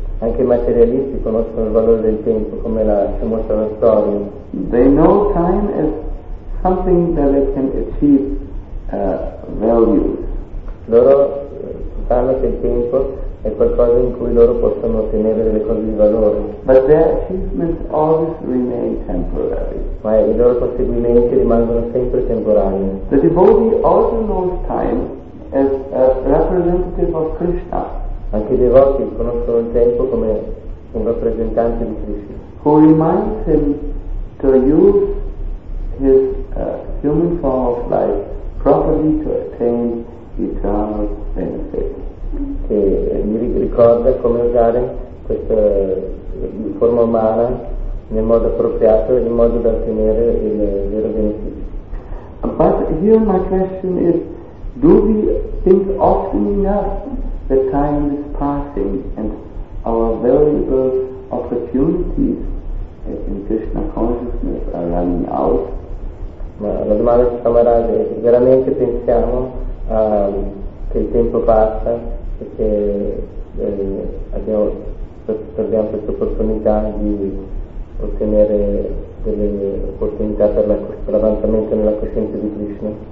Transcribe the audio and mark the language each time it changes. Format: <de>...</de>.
<it>Anche i materialisti conoscono il valore del tempo, come la mostra la storia.</it> <en>They know time as something that they can achieve values.</en> <it>Loro sanno che il tempo è qualcosa in cui loro possono ottenere delle cose di valore.</it> <en>But their achievements always remain temporary.</en> <it>Ma i loro conseguimenti rimangono sempre temporanei.</it> <en>The devotee also knows time as a representative of Krishna.</en> <it>Anche i devoti conoscono il tempo come un rappresentante di Krishna.</it> <en>Who reminds him to use his human form of life properly to attain eternal benefit.</en> <it>Che mi ricorda come usare questa forma umana nel modo appropriato in modo da ottenere il vero beneficio.</it> <en>But here my question is, do we think often enough that time is passing and our valuable opportunities in Krishna consciousness are running out?</en> <it>Ma la domanda di Samaraj è, veramente pensiamo che il tempo passa? Perché abbiamo questa opportunità di ottenere delle opportunità per l'avanzamento nella coscienza di Krishna.</it>